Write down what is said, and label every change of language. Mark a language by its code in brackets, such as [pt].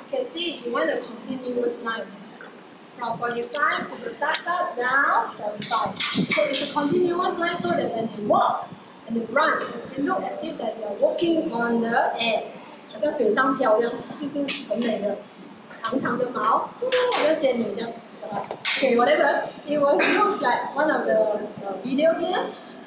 [en] See, you want a continuous line from 45 to the tuck up down 45. So it's a continuous line so that when you walk and you run, you look as if that you are walking on the air. [zh] 好像水上漂亮，就是很美的长长的毛，好像仙女一样。 [en] Okay, whatever. It will looks like one of the video games.